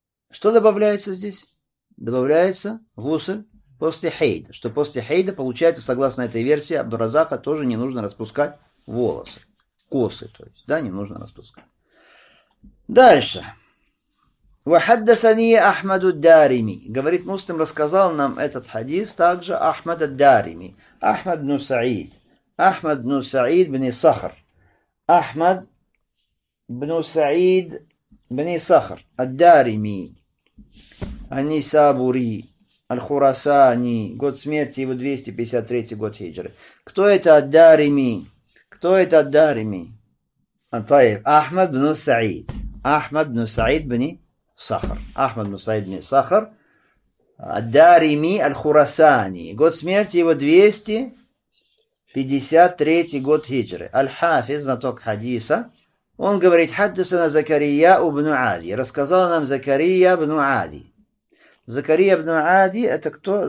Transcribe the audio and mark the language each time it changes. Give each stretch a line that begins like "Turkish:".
Russian: Что добавляется здесь? Добавляется гусль после хейда. Что после хейда получается, согласно этой версии, Абдуразака тоже не нужно распускать волосы. Косы, то есть, да, не нужно распускать. Дальше.
Arabic: وحدثني احمد الدارمي
Russian: говорит муслим рассказал нам этот хадис также
Arabic: احمد الدارمي احمد بن سعيد احمد بن سعيد بن صخر احمد بن سعيد بن صخر الدارمي النيسابوري الخراساني
Russian: год смерти его 253 год хиджры кто это
Arabic: الدارمي
Russian: кто это
Arabic: الدارمي طيب احمد بن سعيد احمد بن سعيد بن Сахар.
Russian: Ахмад Мусаид бин Сахар. Дарими Аль-Хурасани. Год смерти его 253 год хиджры. Аль-Хафиз, знаток хадиса. Он говорит,
Arabic: хаддасана Закария ибн Ади.
Russian: Рассказал нам Закария ибн Ади. Закария ибн Ади, это кто?